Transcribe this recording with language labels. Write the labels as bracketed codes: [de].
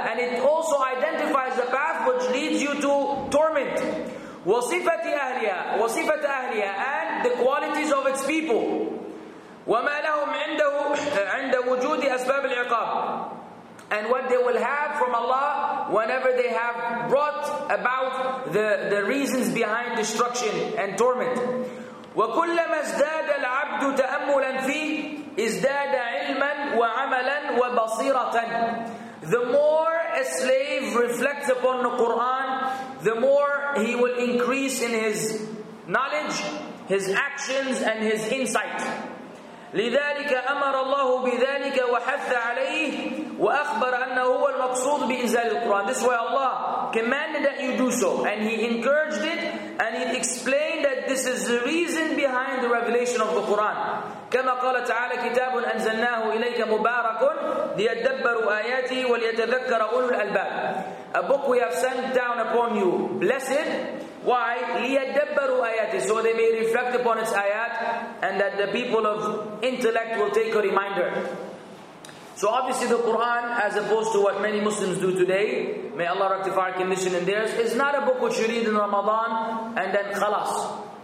[en] And it also identifies the path which leads you to torment. [ar] وصفة أهلها [en] and the qualities of its people. [ar] وما لهم عند وجود أسباب العقاب. [en] And what they will have from Allah whenever they have brought about the reasons behind destruction and torment. [ar] وكلما ازداد العبد تأملا فيه ازداد علما وعملا وبصيرة. [en] The more a slave reflects upon the Quran, the more he will increase in his knowledge, his actions, and his insight. [ar] لذلك أمر الله بذلك وحث عليه وأخبر أنه هو المقصود بإنزال القرآن. [en] This way Allah commanded that you do so, and He encouraged it, and He explained that this is the reason behind the revelation of the Quran. [ar] كما قال تعالى كتاب أنزلناه إليك مبارك ليتدبروا آياته وليتذكر أولو الألباب. [en] A book we have sent down upon you, blessed, Why? [ar] لِيَدَّبَّرُوا آيَاتِ. [en] So they may reflect upon its ayat, and that the people of intellect will take a reminder. So obviously the Qur'an, as opposed to what many Muslims do today, may Allah rectify our condition in theirs, is not a book which you read in Ramadan and then khalas.